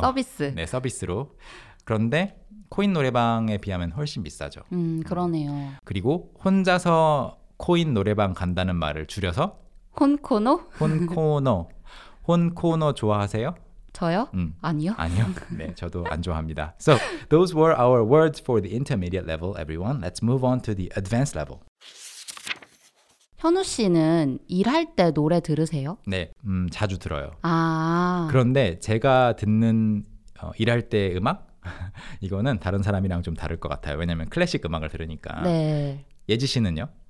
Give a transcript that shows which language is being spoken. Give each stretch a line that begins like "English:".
Korean: 서비스. 네, 서비스로. 그런데 코인 노래방에 비하면 훨씬 비싸죠. 그러네요. 그리고 혼자서 코인 노래방 간다는 말을 줄여서 혼코노? 혼코노. 혼코노 좋아하세요? 저요? 아니요. 아니요. 네, 저도 안 좋아합니다.
English: So, those were our words for the intermediate level, everyone. Let's move on to the advanced level.
Korean: 현우 씨는 일할 때 노래 들으세요? 네, 자주 들어요. 아. 그런데 제가 듣는 일할 때 음악? 이거는 다른 사람이랑 좀 다를 것 같아요. 왜냐면 클래식 음악을 들으니까. 네. 예지 씨는요?